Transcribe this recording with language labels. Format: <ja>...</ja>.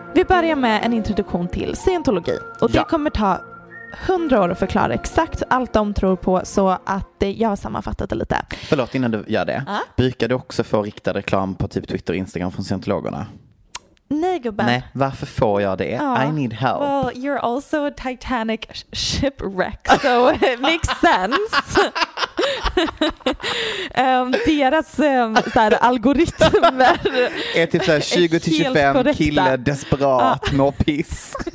<sv>börja med en introduktion till scientologi. Och det kommer ta 100 år att förklara exakt allt de tror på, så att jag har sammanfattat det lite. Förlåt innan du gör det. Brukar du också få riktad reklam på typ Twitter och Instagram från scientologerna? Nej, gubben. Nej, varför får jag det? Ja.</sv> <en>I need help. Well, you're also a Titanic shipwreck, so it makes sense.</en> <sv>deras såhär, algoritmer är typ såhär 20-25 kille desperat med piss.</sv>